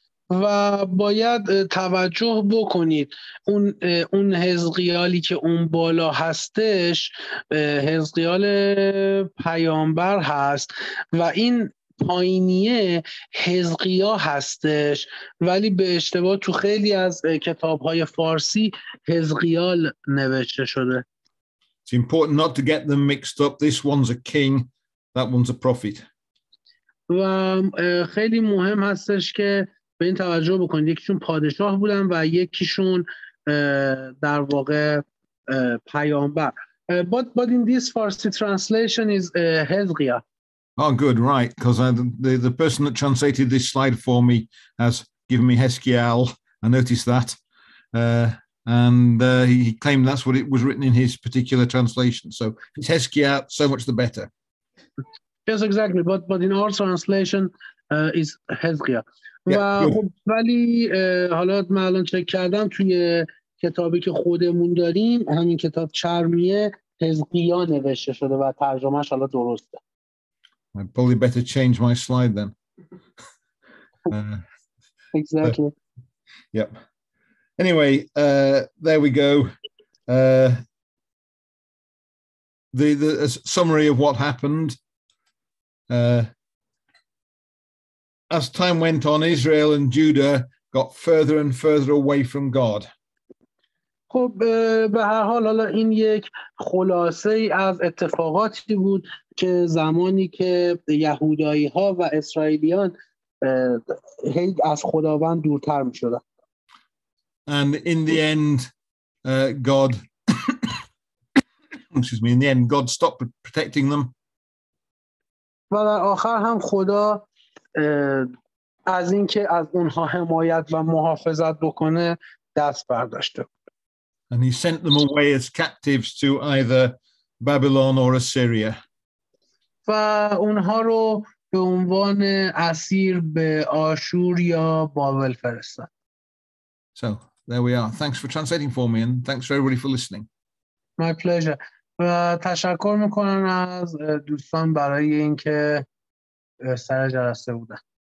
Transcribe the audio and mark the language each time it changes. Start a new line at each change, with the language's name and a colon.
Persian: و باید توجه بکنید اون حزقیالی که اون بالا هستش حزقیال پیامبر هست و این پایینیه حزقیا هستش، ولی به اشتباه تو خیلی از کتاب‌های فارسی حزقیال نوشته شده.
English: It's important not to get them mixed up. This one's a king, that one's a prophet.
Persian: و خیلی مهم هستش که به این توجه بکنید یکیشون پادشاه بودن و یکیشون در واقع پیامبر.
English: But in this Farsi translation is Hezqiyah. Oh, good, right. Because the person that translated this slide for me has given me Hezekiel. I noticed that. He claimed that's what it was written in his particular translation. So it's Hezekiel, so much the better. Yes, exactly. But in our translation, is Hezekiel. Yeah, و good.
Persian: ولی حالا من الان چک کردم توی کتابی که خودمون داریم همین کتاب چرمیه حزقیا نوشته شده و ترجمهش حالا درسته.
English: I probably better change my slide then. exactly. Yep. Anyway, there we go. The summary of what happened. As time went on, Israel and Judah got further and further away from God.
Persian: خب به هر حال حالا این یک خلاصه ای از اتفاقاتی بود که زمانی که یهودایی ها و اسرائیلیان هی از خداوند دورتر می شدن.
English: And in the end, God, excuse me, in the end, God stopped protecting them.
Persian: و در آخر هم خدا از این که از اونها حمایت و محافظت بکنه دست برداشته.
English: And he sent them away as captives to either Babylon or Assyria.
Persian: و اونها رو به عنوان اسیر به آشور یا بابل فرستاد.
English: So there we are. Thanks for translating for me and thanks for everybody for listening. My pleasure.
Persian: و تشکر میکنم از دوستان برای اینکه سر جلسه بودن.